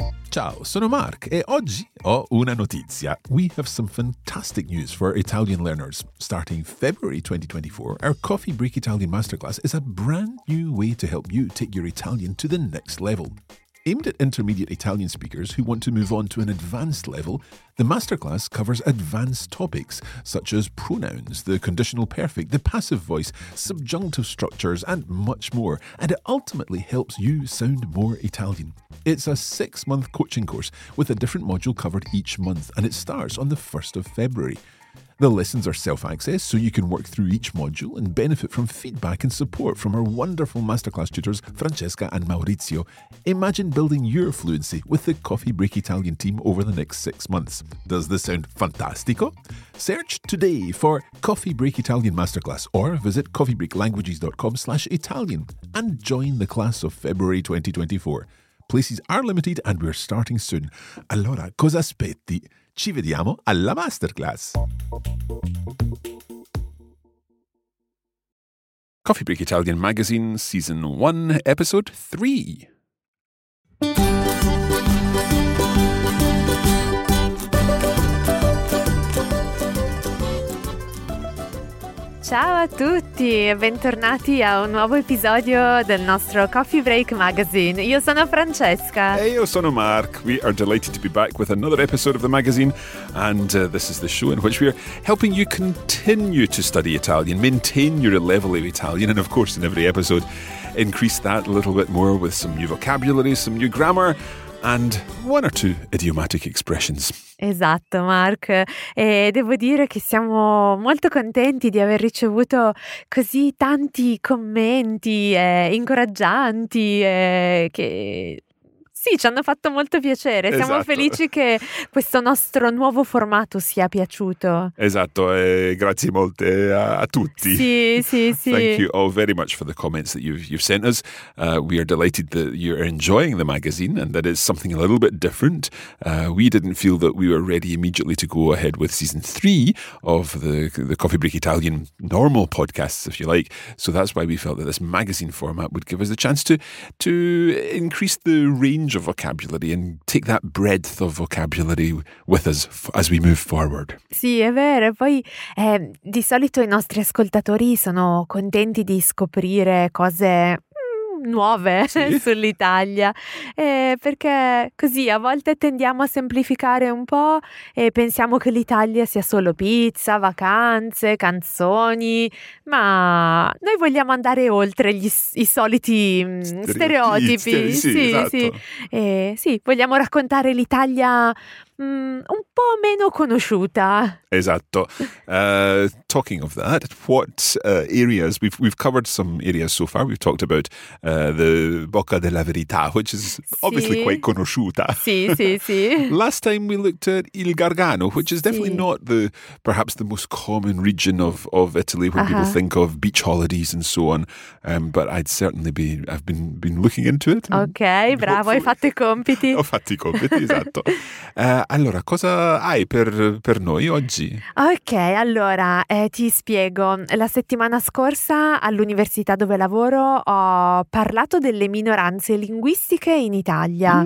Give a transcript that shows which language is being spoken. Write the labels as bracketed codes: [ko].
[it] Ciao, sono Mark e oggi ho una notizia. [en] We have some fantastic news for Italian learners. Starting February 2024, our Coffee Break Italian Masterclass is a brand new way to help you take your Italian to the next level. Aimed at intermediate Italian speakers who want to move on to an advanced level, the masterclass covers advanced topics such as pronouns, the conditional perfect, the passive voice, subjunctive structures, and much more, and it ultimately helps you sound more Italian. It's a six-month coaching course with a different module covered each month, and it starts on the 1st of February. The lessons are self-access, so you can work through each module and benefit from feedback and support from our wonderful masterclass tutors, Francesca and Maurizio. Imagine building your fluency with the Coffee Break Italian team over the next 6 months. Does this sound fantastico? Search today for Coffee Break Italian Masterclass or visit coffeebreaklanguages.com/Italian and join the class of February 2024. Places are limited and we're starting soon. [it] Allora, cosa aspetti? Ci vediamo alla masterclass. [en] Coffee Break Italian Magazine, Season 1, Episode 3. [it] Ciao a tutti e bentornati a un nuovo episodio del nostro Coffee Break Magazine. Io sono Francesca. E io sono Mark. [en] We are delighted to be back with another episode of the magazine. And this is the show in which we are helping you continue to study Italian, maintain your level of Italian, and of course in every episode, increase that a little bit more with some new vocabulary, some new grammar, and one or two idiomatic expressions. [it] Esatto, Mark. E devo dire che siamo molto contenti di aver ricevuto così tanti commenti incoraggianti che... Sì, ci hanno fatto molto piacere. Esatto. Siamo felici che questo nostro nuovo formato sia piaciuto. Esatto, e grazie molte a tutti. Sì, sì, sì. [en] Thank you all very much for the comments that you've sent us. We are delighted that you're enjoying the magazine and that it's something a little bit different. We didn't feel that we were ready immediately to go ahead with season 3 of the Coffee Break Italian normal podcasts, if you like. So that's why we felt that this magazine format would give us the chance to increase the range of vocabulary and take that breadth of vocabulary with us as we move forward. [it] Sì, è vero. E poi di solito i nostri ascoltatori sono contenti di scoprire cose nuove, sì, sull'Italia, perché così a volte tendiamo a semplificare un po' e pensiamo che l'Italia sia solo pizza, vacanze, canzoni, ma noi vogliamo andare oltre i soliti stereotipi. Sì, esatto. Sì. Sì, vogliamo raccontare l'Italia un po' meno conosciuta. Esatto. [en] Talking of that, what areas? We've covered some areas so far. We've talked about the Bocca della Verità, which is obviously quite conosciuta. [it] Sì, sì, sì. [en] Last time we looked at Il Gargano, which is definitely not the perhaps the most common region of Italy where people think of beach holidays and so on. But I've been looking into it. [it] Ok, bravo, hai fatto i compiti. Ho fatto i compiti, esatto. Allora, cosa hai per noi oggi? Ok, allora, ti spiego. La settimana scorsa all'università dove lavoro ho parlato delle minoranze linguistiche in Italia.